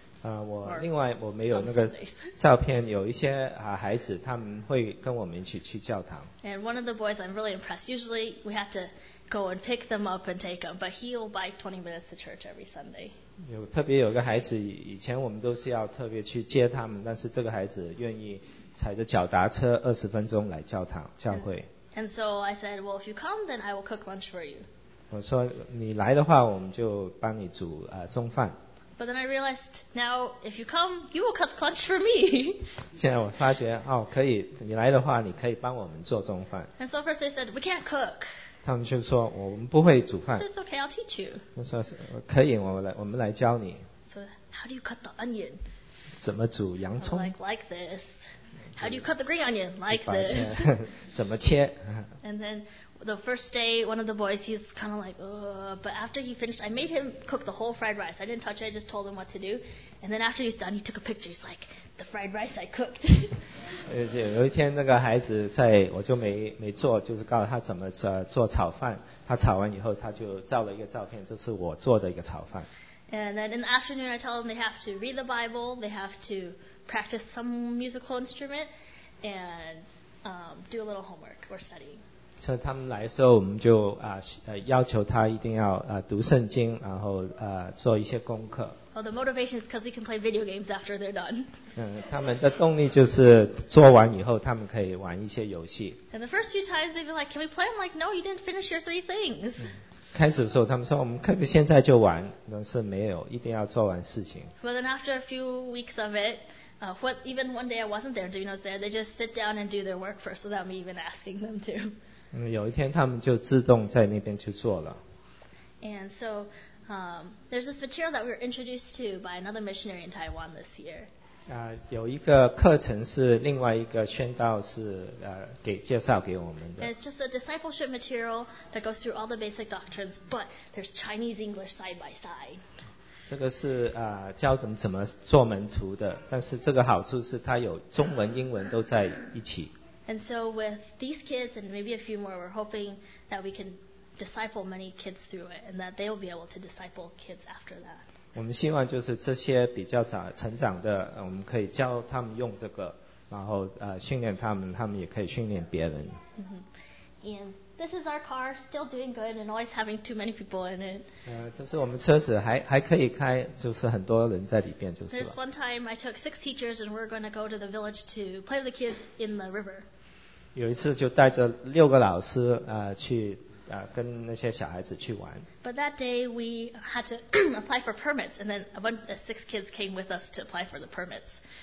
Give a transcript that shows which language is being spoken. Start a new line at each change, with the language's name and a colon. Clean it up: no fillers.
Chinese: 我没有那个照片有一些孩子他们会跟我们一起去教堂。
English: And one of the boys I'm really impressed. Usually we have to go and pick them up and take them, but he'll bike 20 minutes to church every Sunday.
Chinese: 有特别有个孩子，以前我们都是要特别去接他们，但是这个孩子愿意踩着脚踏车20分钟来教堂教会。
English: And so I said, well, if you come, then I will cook lunch for you.
Chinese: 我说你来的话，我们就帮你煮中饭。
English: But then I realized, now if you come, you will cook lunch for me.
Chinese: 现在我发觉哦，可以，你来的话，你可以帮我们做中饭。
English: And so first they said, we can't cook.
Chinese: 他们就说我们不会煮饭。
English: It's okay, I'll teach you.
Chinese: 我说可以，我们来教你。
English: So how do you cut the onion?
Chinese: 怎么煮洋葱
English: like this. How do you cut the green onion? Like this.
Chinese: 怎么切
English: And then the first day, one of the boys, he's kind of like, but after he finished, I made him cook the whole fried rice. I didn't touch it, I just told him what to do. And then after he's done, he took a picture. He's like, the fried rice I cooked.
Chinese: 有一天那个孩子在我就 没做就是告诉他怎么做炒饭他炒完以后他就照了一个照片这是我做的一个炒饭
English: And then in the afternoon I tell them they have to read the Bible they have to practice some musical instrument and do a little homework or studying
Chinese: 所以他们来的时候我们就要求他一定要读圣经然后做一些功课
English: Well, the motivation is because we can play video games after they're done.
Chinese: 他们的动力就是做完以后他们可以玩一些游戏。
English: And the first few times they've been like, can we play? I'm like, no, you didn't finish your three things.
Chinese: 开始的时候他们说我们可以现在就玩但是没有一定要做完事情。
English: But then after a few weeks of it, even one day I wasn't there, Dino's there, they just sit down and do their work first without me even asking them to.
Chinese: 有一天他们就自动在那边去做了。
English: And so,there's this material that we were introduced to by another missionary in Taiwan this year.
Chinese: 有一个课程是另外一个宣道是介绍给我们的。
English: And it's just a discipleship material that goes through all the basic doctrines, but there's Chinese English side by side.
Chinese: 这个是教我们怎么做门徒的，但是这个好处是它有中文、英文都在一起。
English: And so with these kids and maybe a few more, we're hoping that we can. Disciple many kids through it, and that they will be able to disciple kids after that.
Chinese: 我们希望就是这些比较早成长的，我们可以教他们用这个，然后训练他们，他们也可以训练别人。
English: And this is our car, still doing good, and always having too many people in it.
Chinese: 这是我们车子还可以开，就是很多人在里边就是了。
English: There's one time I took six teachers, and we're going to go to the village to play with the kids in the river.
Chinese: 有一次就带着六个老师去。跟那些小孩子去玩。
English: But that day we had to apply for permits, and then a bunch of six kids came with us to apply for the permits.